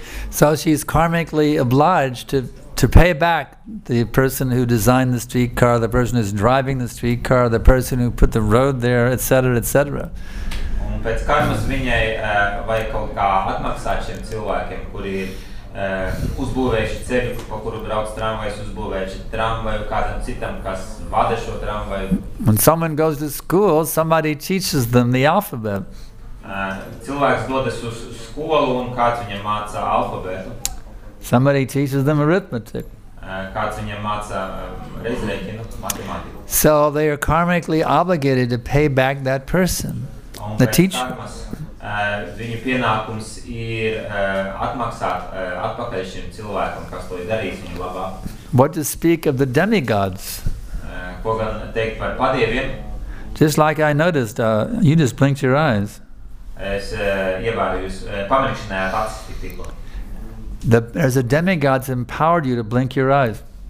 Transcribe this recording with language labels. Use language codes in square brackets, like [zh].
[en] So she's karmically obliged to pay back the person who designed the streetcar, the person who's driving the streetcar, the person who put the road there, etc., etc. [lv] Un pēc karmas viņai vai kaut kā atmaksāt šiem cilvēkiem, kuri ir uzbūvējuši ceļu, pa kuru brauc tramvajs, uzbūvējuši tramvaju kādam citam, kas vada šo tramvaju. [en] When someone goes to school, somebody teaches them the alphabet. [lv] Cilvēks dodas uz skolu un kāds viņam māca alfabētu. [en] Somebody teaches them arithmetic. [lv] Kāds viņam māca rezrēķinu, matemātiku. [en] So they are karmically obligated to pay back that person, [lv] un [en] the teacher. [lv] Karmas, viņu pienākums ir atmaksāt atpakaļ šim cilvēkam, kas to ir darījis viņu labā. [en] What to speak of the demigods? [lv] Ko gan teikt par padieviem? [en] Just like I noticed, you just blinked your eyes. There's a demigod that's empowered you to blink your eyes.